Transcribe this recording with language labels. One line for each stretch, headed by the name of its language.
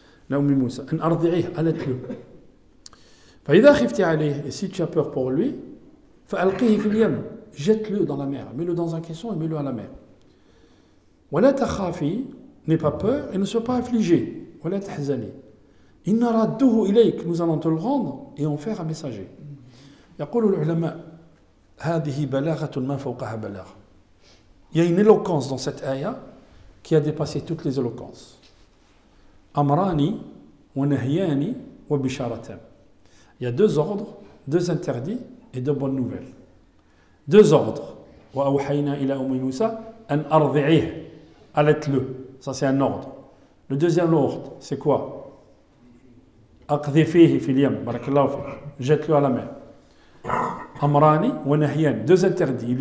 Arabic: La ummi Moussa, an ardi'ih,
French: alat-le.
Arabic: Fa idha khifti alayhi,
French: et si tu as peur pour lui,
Arabic: fa alqihi fil yam,
French: jette-le dans la mer, mets-le dans un caisson et mets-le à la mer.
Arabic: وَلَا تَخَافِي,
French: n'aie pas peur et ne sois pas affligé.
Arabic: وَلَا تَحْزَنِي, إِنَّ رَدُّهُ إِلَيْكَ,
French: nous allons te le rendre et en faire un messager.
Arabic: يقول العلماء هذه بلاغة ما فوقها بلاغ.
French: Il y a une éloquence dans cette ayah qui a dépassé toutes les éloquences.
Arabic: أمراني ونهياني وبشارتان.
French: Il y a deux ordres, deux interdits et deux bonnes nouvelles. Deux ordres.
Arabic: وَأَوْحَيْنَا إِلَى أُمِّ مُوسَى أَنْ أَرْضِعِهِ.
French: Allaite-le, ça c'est un ordre. Le deuxième ordre, c'est quoi?
Arabic: Aqdifihi filiam, barakallahu fi.
French: Jette-le à la mer.
Arabic: Amrani wa nahyan,
French: deux interdits.